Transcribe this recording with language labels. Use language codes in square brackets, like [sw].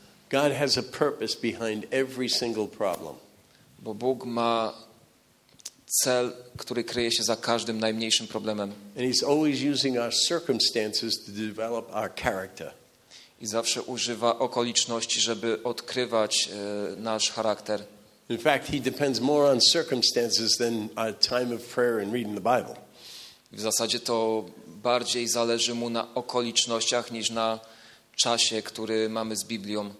[en] God has a purpose behind every single problem. [pl] Bo Bóg ma cel, który kryje się za każdym najmniejszym problemem. [en] And he's always using our circumstances to develop our character. [pl] I zawsze używa okoliczności, żeby odkrywać nasz charakter. [en] In fact, he depends more on circumstances than our time of prayer and reading the Bible. [pl] W zasadzie to bardziej zależy mu na okolicznościach niż na czasie, który mamy z Biblią.